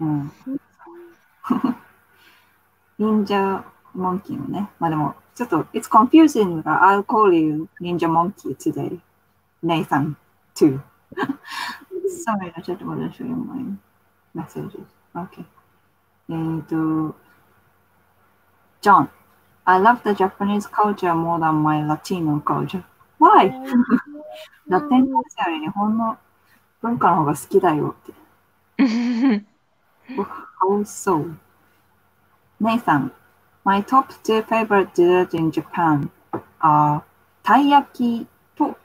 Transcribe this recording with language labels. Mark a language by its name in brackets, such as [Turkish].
[Japanese] リンジャーモンキーもね。まあでも、ちょっと、 [English] It's confusing, but I'll call you Ninja Monkey today. Nathan, too. Sorry, [Japanese] ちょっと私は読むね。メッセージ。 [English] Okay. John, I love the Japanese culture more than my Latino culture. Why? [Japanese] ラテン人より日本の文化の方が好きだよって。 [English] How so? Nathan, my top two favorite desserts in Japan are たい焼きと、